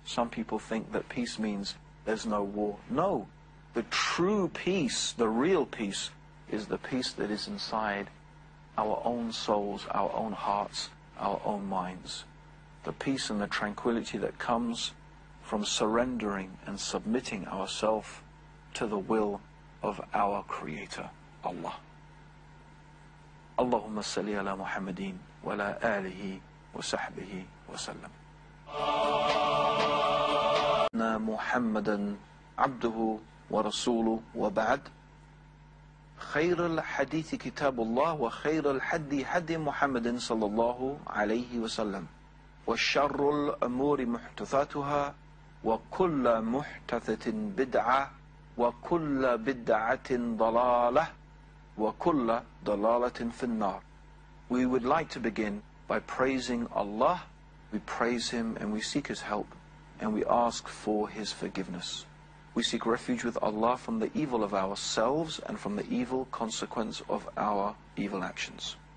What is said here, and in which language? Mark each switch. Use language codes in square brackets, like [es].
[en] Some people think that peace means there's no war. No, the true peace, the real peace, is the peace that is inside our own souls, our own hearts, our own minds. The peace and the tranquility that comes from surrendering and submitting ourselves to the will of our Creator, Allah. [ar] اللهم صل على محمد وعلى آله وصحبه وسلم نا محمدا عبده ورسوله وبعد خير الحديث كتاب الله وخير الحدي حدي محمد صلى الله عليه وسلم وشر الأمور محدثاتها وكل محدثة بدعة وكل بدعة ضلالة وَكُلَّ ضَلَالَةٍ فِي النَّارِ. [en] We would like to begin by praising Allah. We praise Him and we seek His help and we ask for His forgiveness. We seek refuge with Allah from the evil of ourselves and from the evil consequence of our evil actions.